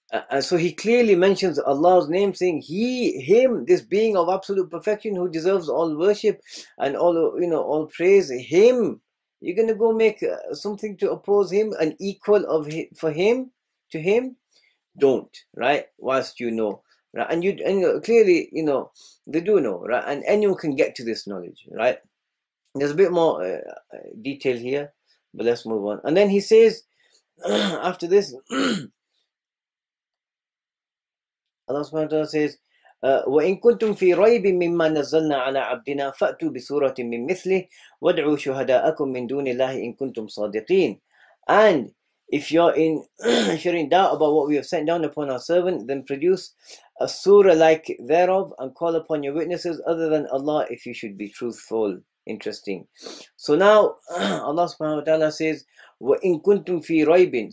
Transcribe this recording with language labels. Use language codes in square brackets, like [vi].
[en] And so he clearly mentions Allah's name, saying him, this being of absolute perfection who deserves all worship and all, you know, all praise, him you're gonna go make something to oppose him, an equal of him, for him, to him. Don't, right, whilst you know. Right, and clearly, you know, they do know, right? And anyone can get to this knowledge, right? There's a bit more detail here, but let's move on. And then he says, after this, Allah subhanahu wa ta'ala says, [ar] وَإِنْ كُنْتُمْ فِي رَيْبٍ مِمَّا نَزَّلْنَا عَلَىٰ عَبْدِنَا فَأْتُوا بِسُورَةٍ مِّن مِثْلِهِ وَادْعُوا شُهَدَاءَكُمْ مِن دُونِ اللَّهِ إِن كُنْتُمْ صَادِقِينَ. [en] And if you're in, if you're in doubt about what we have sent down upon our servant, then produce a surah like thereof and call upon your witnesses other than Allah if you should be truthful. Interesting. So now Allah subhanahu wa ta'ala says, [ar] "Wa in kuntum fi raybin."